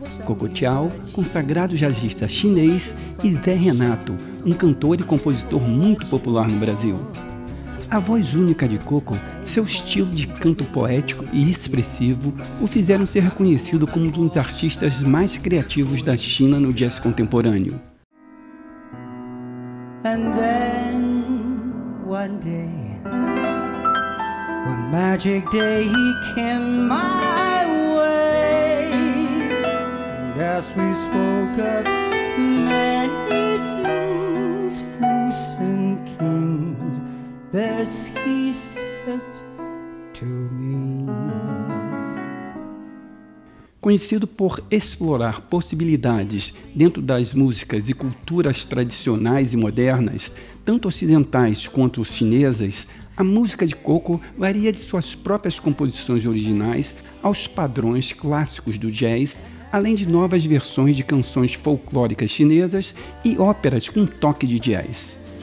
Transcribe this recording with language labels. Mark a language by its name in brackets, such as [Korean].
[Portuguese] Coco Tchau, consagrado jazzista chinês, e Zé Renato, um cantor e compositor muito popular no Brasil. A voz única de Coco, seu estilo de canto poético e expressivo, o fizeram ser reconhecido como um dos artistas mais criativos da China no jazz contemporâneo. [English] And then, one day, one magic day he came my way. And as we spoke of many things, fools and kings, this he said to me. [Portuguese] Conhecido por explorar possibilidades dentro das músicas e culturas tradicionais e modernas, tanto ocidentais quanto chinesas, a música de Coco varia de suas próprias composições originais aos padrões clássicos do jazz, além de novas versões de canções folclóricas chinesas e óperas com toque de jazz.